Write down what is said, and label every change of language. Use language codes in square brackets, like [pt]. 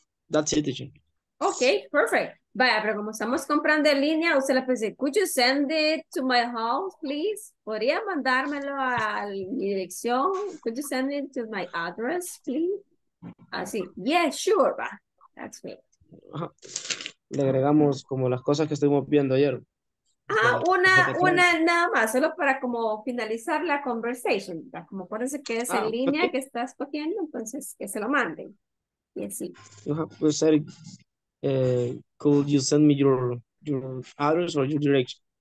[en] That's it, teacher. [es] Okay, perfect. Vaya, pero como estamos comprando en línea, usted le puede decir, [en] could you send it to my house, please? [es] ¿Podría mandármelo a mi dirección? [en] Could you send it to my address, please? Así, yeah, sure, va. That's me. [es] Le agregamos como las cosas que estuvimos viendo ayer. Ah, una nada más, solo para como finalizar la conversation. ¿Va? Como parece que es en línea que está escogiendo, entonces que se lo manden. Y así. [en] You have to say, could you send me your address or your direction?